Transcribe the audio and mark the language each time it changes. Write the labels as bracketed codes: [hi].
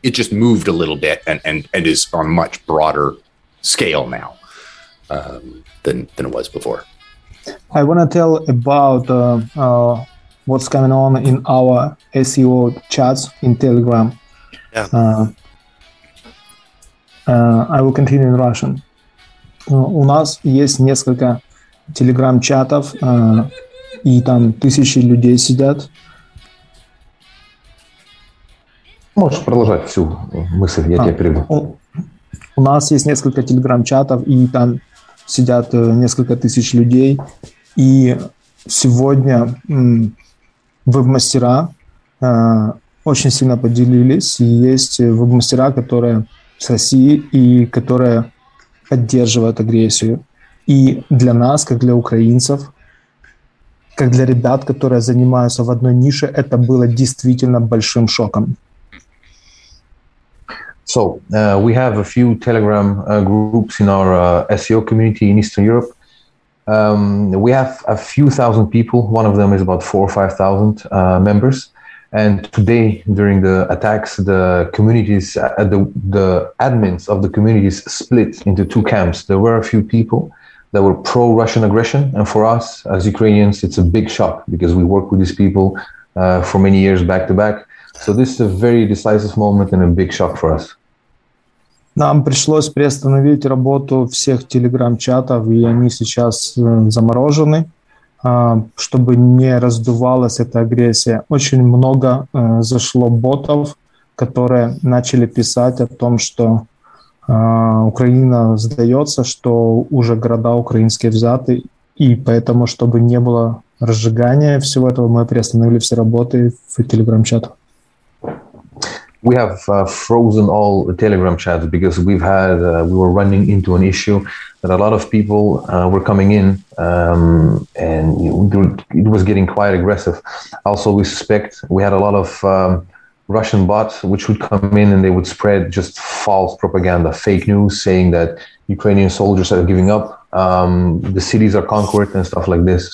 [en] It just moved a little bit and is on a much broader scale now than it was before. I want to tell about what's going on in our SEO chats in Telegram. Yeah. I will continue in Russian. [ru] У нас есть несколько Telegram-чатов, и там тысячи людей сидят. Можешь продолжать всю мысль, я тебя перебью. У нас есть несколько Telegram-чатов, и там сидят несколько тысяч людей. И сегодня веб-мастера очень сильно поделились. Есть веб-мастера, которые с России и которые поддерживают агрессию. И для нас, как для украинцев, как для ребят, которые занимаются в одной нише, это было действительно большим шоком. [en] So, we have a few Telegram groups in our SEO community in Eastern Europe. We have a few thousand people. One of them is about 4,000 or 5,000 members. And today, during the attacks, the communities, the admins of the communities split into two camps. There were a few people that were pro-Russian aggression. And for us, as Ukrainians, it's a big shock because we work with these people for many years back to back. So this is a very decisive moment and a big shock for us. [ru] Нам пришлось приостановить работу всех телеграм-чатов, и они сейчас заморожены, чтобы не раздувалась эта агрессия. Очень много зашло ботов, которые начали писать о том, что Украина сдается, что уже города украинские взяты, и поэтому, чтобы не было разжигание всего этого, мы приостановили все работы в Telegram-чатах. [en] We have frozen all the Telegram chats because we've had we were running into an issue that a lot of people were coming in and it was getting quite aggressive. Also, we suspect we had a lot of Russian bots which would come in and they would spread just false propaganda, fake news, saying that Ukrainian soldiers are giving up, the cities are conquered and stuff like this.